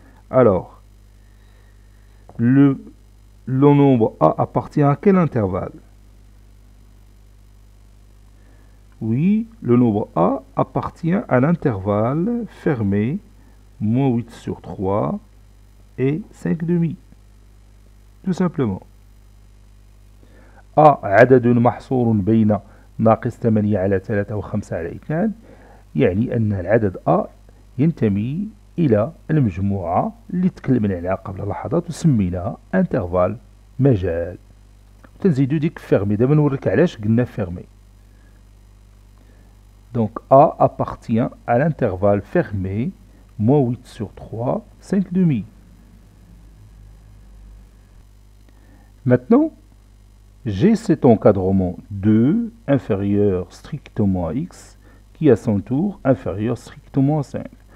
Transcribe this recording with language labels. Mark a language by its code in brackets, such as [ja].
[fr] Alors, le nombre a appartient à quel intervalle? Oui, le nombre A appartient à l'intervalle fermé, moins 8 sur 3 et 5 demi. Tout simplement. [ar] A, عدد محصور بين ناقص 8 على 3 و 5 على 2, يعني أن العدد A ينتمي إلى المجموعة اللي تكلمنا عليها قبل لحظات وسميناها انترفال مجال. تنزيدو ديك فيرمي، دابا نوريك علاش قلنا فيرمي. [fr] دونك A appartient à l'intervalle fermé moins 8 sur 3, 5 demi. Maintenant, j'ai cet encadrement 2 inférieur strictement à x qui à son tour inférieur strictement à 5.